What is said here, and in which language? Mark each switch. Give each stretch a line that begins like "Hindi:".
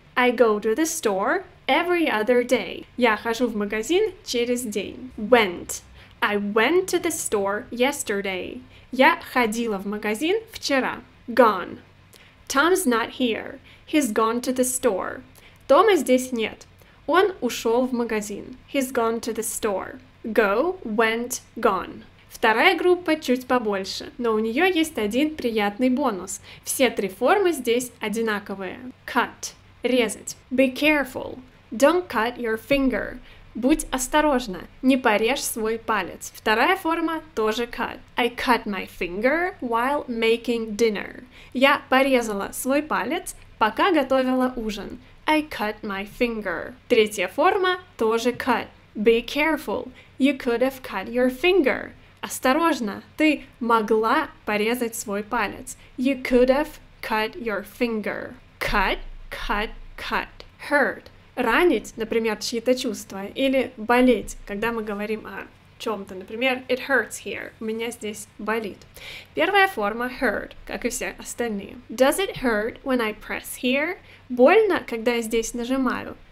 English: I go to the store every other day.
Russian: Я хожу в магазин через день.
English: Went. I went to the store yesterday.
Russian: Я ходила в магазин вчера.
English: Gone. Tom's not here. He's gone to the store.
Russian: Тома здесь нет. Он ушел в магазин.
English: He's gone to the store. Go, went, gone.
Russian: Вторая группа чуть побольше, но у нее есть один приятный бонус. Все три формы здесь одинаковые.
English: Cut. Резать. Be careful. Don't cut your finger.
Russian: Будь осторожна, не порежь свой палец. Вторая форма тоже
English: cut. I cut my finger while making dinner.
Russian: Я порезала свой палец, пока готовила ужин.
English: I cut my finger.
Russian: Третья форма тоже
English: cut. Be careful. You could have cut your finger.
Russian: Осторожно, ты могла порезать свой палец.
English: You could have cut your finger. Cut, cut, cut. Hurt.
Russian: ранить, например, чьи-то чувства, или болеть, когда мы говорим о чем-то, например,
English: it hurts here,
Russian: у меня здесь болит. Первая форма hurt, как и все остальные.
English: Does it hurt when I press here?
Russian: Больно, когда я здесь нажимаю.